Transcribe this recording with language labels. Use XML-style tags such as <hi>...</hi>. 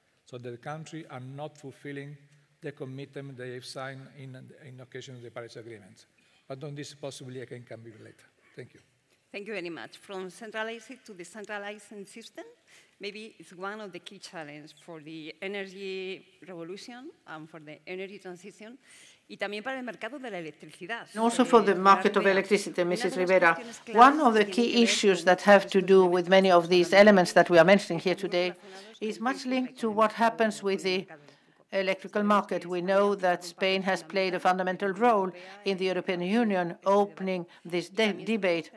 <en>So the country are not fulfilling the commitment they have signed in occasion of the Paris Agreement. But on this, possibly I can come back later. Thank you. Thank you very much. From centralizing to decentralizing system, maybe it's one of the key challenges for the energy revolution and for the energy transition.</en> <es>Y también para el mercado de la electricidad.</es> <en>And also for the market of electricity, Mrs. Rivera. One of the key issues that have to do with many of these elements that we are mentioning here today is much linked to what happens with the electrical market. We know that Spain has played a fundamental role in the European Union opening this debate.</en>